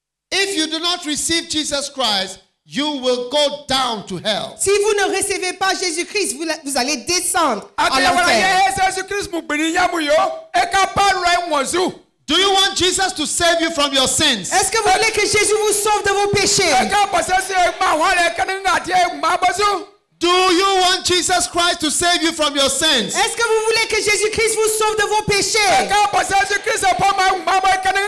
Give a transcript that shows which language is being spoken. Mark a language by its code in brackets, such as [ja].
[en] If you do not receive Jesus Christ, you will go down to hell. [fr] Si vous ne recevez pas Jésus-Christ, vous allez descendre à l'enfer. [en] Do you want Jesus to save you from your sins? [fr] Est-ce que vous voulez que Jésus vous sauve de vos péchés? [en] Do you want Jesus Christ to save you from your sins? [fr] Est-ce que vous voulez que Jésus Christ vous sauve de vos péchés?